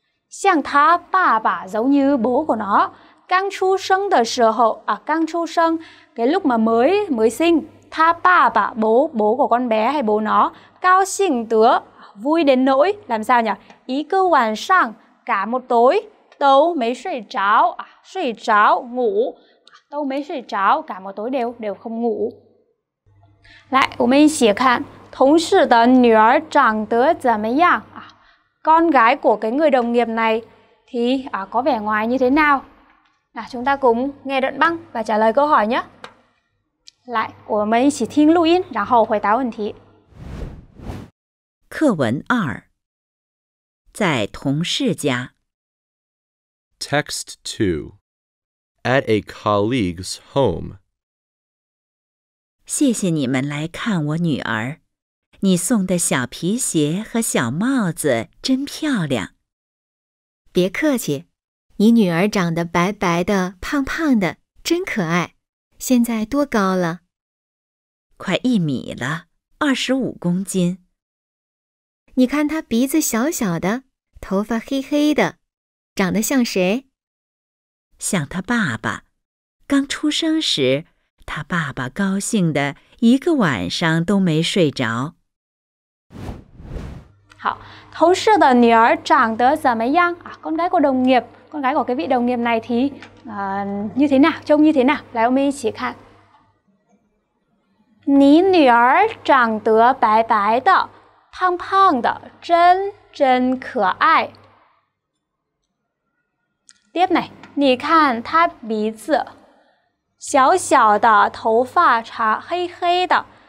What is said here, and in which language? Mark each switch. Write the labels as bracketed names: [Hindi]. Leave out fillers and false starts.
[Vietnamese] 像他爸爸, giống như bố của nó. 刚出生的时候, à, 刚出生, cái lúc mà mới sinh. 他爸爸, bố của con bé hay bố nó. 高兴得, vui đến nỗi, làm sao nhỉ? [Chinese] 一个晚上, cả một tối. 都没睡着, à, 睡着, ngủ. 都没睡着，感冒多流，流空母。来，我们一起看同事的女儿长得怎么样啊？ [Vietnamese] Con gái của cái người đồng nghiệp này thì có vẻ ngoài như thế nào? Nào, chúng ta cùng nghe đoạn băng và trả lời câu hỏi nhé. [Chinese] Lại, 我们一起听录音，然后回答问题。课文二，在同事家。 [English] Text 2, at a colleague's home. [Chinese] 谢谢你们来看我女儿，你送的小皮鞋和小帽子真漂亮。别客气，你女儿长得白白的、胖胖的，真可爱。现在多高了？快一米了，25公斤。你看她鼻子小小的，头发黑黑的，长得像谁？像她爸爸。刚出生时，她爸爸高兴的一个晚上都没睡着。好，同事的女儿长得怎么样？ [Vietnamese] con gái của đồng nghiệp, con gái của cái vị đồng nghiệp này thì như thế nào, trông như thế nào? [Chinese] 来，我们一起看。你女儿长得白白的，胖胖的，真可爱。 tiếp này, 你看她鼻子小小的，头发长黑黑的。